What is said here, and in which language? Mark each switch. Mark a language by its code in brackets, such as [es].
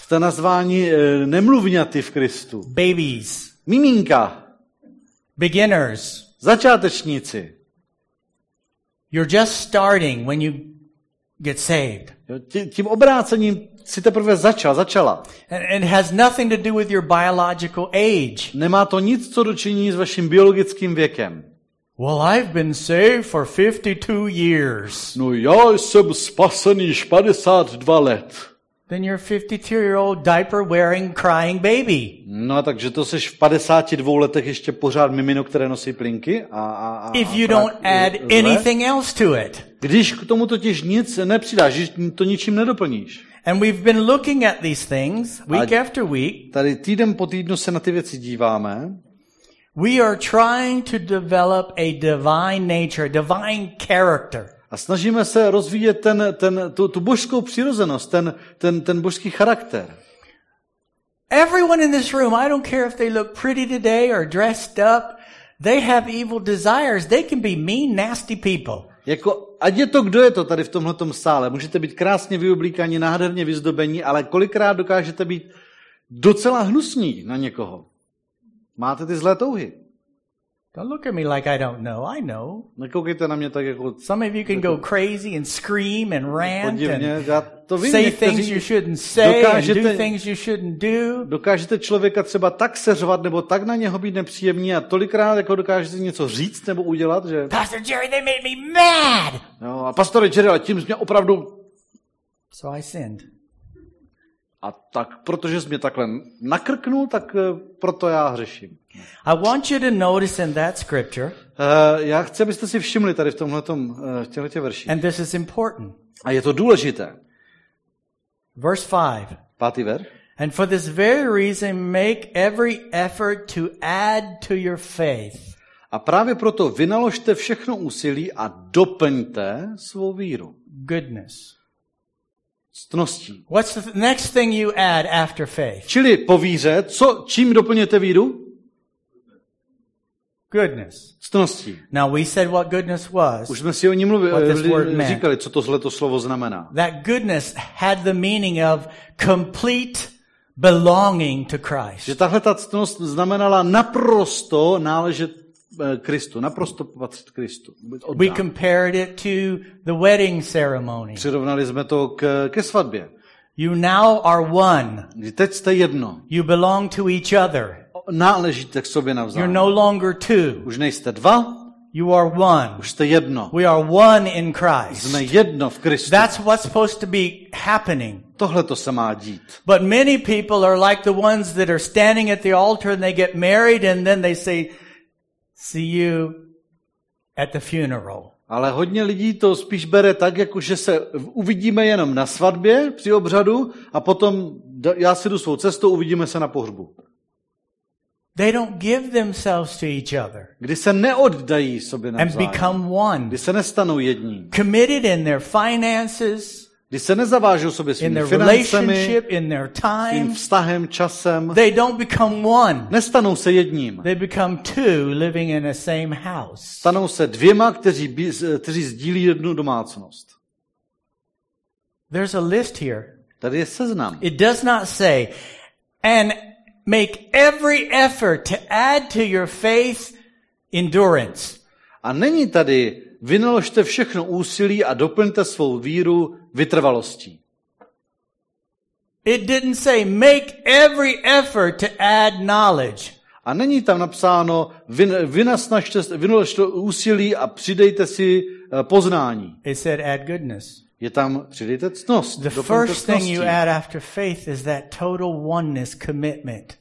[cs] Jste nazváni nemluvňaty v Kristu. [en] Babies. [cs] Miminka. [en] Beginners. [cs] Začátečníci. [en] You're just starting when you get saved. [cs] Tím obrácením si teprve začala. [en] And has nothing to do with your biological age. [cs] Nemá to nic co dočiní s vaším biologickým věkem. [en] Well, I've been saved for 52 years. [cs] No, já jsem spasen již 52 let. [en] Then you're a 52-year-old diaper-wearing crying baby. [cs] No, takže to seš v 52 letech ještě pořád mimino, které nosí plinky a [en] if you don't add anything else to it. [cs] Když k tomu totiž nic nepřidáš, to ničím nedoplníš. [en] And we've been looking at these things week after week. [cs] Tady týden po týdnu se na ty věci díváme. [en] We are trying to develop a divine nature, a divine character. [cs] A snažíme se rozvíjet tu božskou přirozenost, ten božský charakter. [en] Everyone in this room, I don't care if they look pretty today or dressed up, they have evil desires. They can be mean, nasty people. [cs] Jako, ať je to, kdo je to tady v tomhletom sále, můžete být krásně vyoblíkaní, nádherně vyzdobení, ale kolikrát dokážete být docela hnusní na někoho. Máte ty zlé touhy. [en] Don't look at me like I don't know. I know. [cs] Nekoukejte na mě tak jako. [en] Some of you can go crazy and scream and rant and [cs] to vím, [en] say things you shouldn't say, [cs] dokážete, [en] and do things you shouldn't do. [cs] Dokážete člověka třeba tak seřvat nebo tak na něho být nepříjemný a tolikrát jako dokážete něco říct nebo udělat, že. [en] Pastor Jerry, they made me mad. [cs] No, a pastore Jerry, a tím jsi mě opravdu. [en] So I sinned. [cs] A tak, protože jsi mě takhle nakrknul, tak proto já hřeším. [en] I want you to notice in that scripture. [cs] Já chci, abyste si všimli tady v tomhletom, v těchto verších. [en] And this is important. [cs] A je to důležité. [en] Verse 5. [cs] Pátý verš. [en] And for this very reason, make every effort to add to your faith. [cs] A právě proto vynaložte všechno úsilí a doplňte svou víru. [en] Goodness. [cs] Ctností. [en] What's the next thing you add after faith? [cs] Čili po víře, co, čím doplňujete víru? [en] Goodness. [cs] Ctností. [en] Now we said what goodness was. [cs] Už jsme si o ní mluvili, říkali, co tohle to slovo znamená. [en] That goodness had the meaning of complete belonging to Christ. [cs] Že tahle ta ctnost znamenala naprosto náležet Kristu, naprosto patřit Kristu. Oddán. [en] We compared it to the wedding ceremony. [cs] Přirovnali jsme to ke svatbě. [en] You now are one. [cs] Teď jste jedno. [en] You belong to each other. [cs] Náležíte k sobě navzájem. [en] You're no longer two. [cs] Už nejste dva. [en] You are one. [cs] Už jste jedno. [en] We are one in Christ. [cs] Jsme jedno v Kristu. [en] That's what's supposed to be happening. [cs] Tohle to se má dít. [en] But many people are like the ones that are standing at the altar and they get married and then they say, see you at the funeral. [cs] Ale hodně lidí to spíš bere tak, jako že se uvidíme jenom na svatbě při obřadu a potom já si jdu svou cestou, uvidíme se na pohřbu. [en] They don't give themselves to each other. [cs] Kdy se neoddají sobě navzájem. [en] And become one. [cs] Kdy se nestanou jedním. [en] Committed in their finances. [cs] Kdy se nezavážou sobě svými financemi. [en] In their relationship, in their time. [cs] Svým vztahem, časem. [en] They don't become one. [cs] Nestanou se jedním. [en] They become two living in the same house. [cs] Stanou se dvěma, kteří sdílí jednu domácnost. [en] There's a list here. [cs] Tady je seznam. [en] It does not say, and make every effort to add to your faith endurance. [cs] A není tady, vynaložte všechno úsilí a doplňte svou víru vytrvalostí. [en] It didn't say make every effort to add knowledge. [cs] A není tam napsáno, vynaložte úsilí a přidejte si poznání. [en] It said add goodness. [cs] Je tam přidejte ctnost. [en] The first thing you add after faith is that total oneness commitment.